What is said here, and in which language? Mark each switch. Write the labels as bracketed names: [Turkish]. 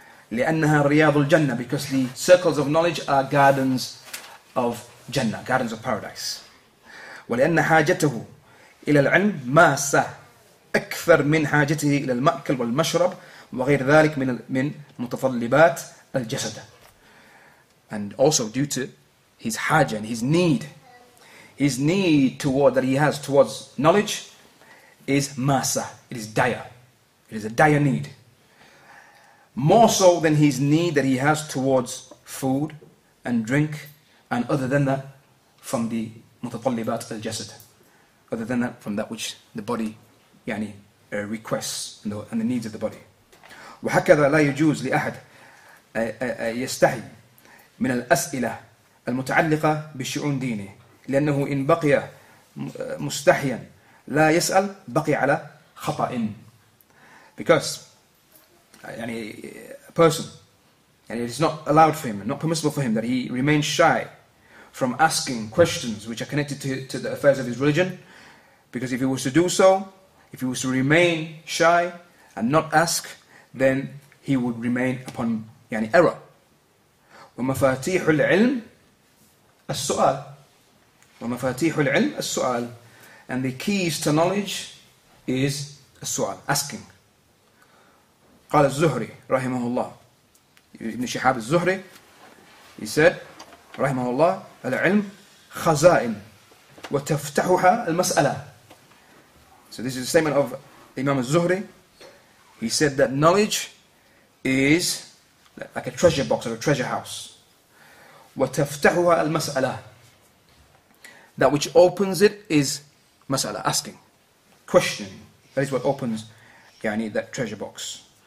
[Arabic] لأنها رياض الجنة, [English] because the circles of knowledge are gardens of Jannah, gardens of paradise. [Arabic] ولأن حاجته إلى العلم ماسة أكثر من حاجته إلى المأكل والمشرب وغير ذلك من متطلبات الجسد. [English] And also due to his haja and his need toward that he has towards knowledge is masa. It is dire. It is a dire need. More so than his need that he has towards food and drink, and other than that, from the mutatallibat al-jasad. Other than that, from that which the body yani requests and the needs of the body. [Arabic] وَحَكَذَا لَا يُجُوزْ لِأَحَدٍ يَسْتَحِي من الأسئلة المتعلقة بشؤون دينه لأنه إن بقي مستحيا لا يسأل بقي على خطأ. [English] Because يعني, a person, and it is not allowed for him, not permissible for him, that he remains shy from asking questions which are connected to the affairs of his religion. Because if he was to do so, if he was to remain shy and not ask, then he would remain upon يعني error. [Arabic] ومفاتيح العلم السؤال. ومفاتيح العلم السؤال. [English] And the keys to knowledge is السؤال, asking. [Arabic] قال الزهري رحمه الله, ابن شهاب الزهري, [English] he said [Arabic] رحمه الله, العلم خزائن وتفتحها المسألة. [English] So this is a statement of Imam al-Zuhri. He said that knowledge is like a treasure box or a treasure house. [Arabic] وَتَفْتَحُهَا الْمَسْأَلَةِ. [English] That which opens it is مَسْأَلَةِ, asking, questioning. That is what opens يعني, that treasure box.